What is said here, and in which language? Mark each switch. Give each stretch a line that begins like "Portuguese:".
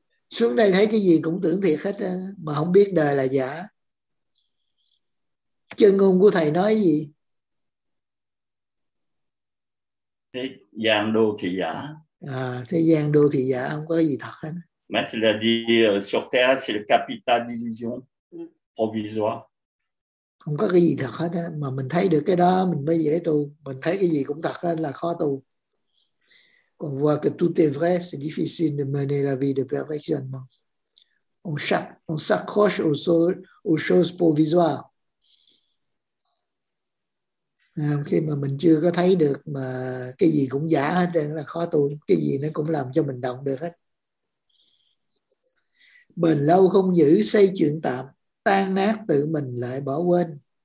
Vietnamese: Xuống đây thấy cái gì cũng tưởng thiệt hết á, mà không biết đời là giả. Chân ngôn của thầy nói gì? Thế gian đô thì giả. À, thế gian đô thì giả, không có gì thật hết.
French: Maître l'a dit, sur terre, c'est le capital d'illusion provisoire.
Vietnamese: Không có cái gì thật hết á, mà mình thấy được cái đó mình mới dễ tu, mình thấy cái gì cũng thật hết là khó tu.
French: Quand on voit que tout est vrai, c'est difficile de mener la vie de perfectionnement. On s'accroche aux choses provisoires.
Vietnamese: À, khi mà mình chưa có thấy được mà cái gì cũng giả hết là khó tu, cái gì nó cũng làm cho mình động được hết. bền lâu không giữ, xây chuyện tạm, tan nát tự mình lại bỏ quên.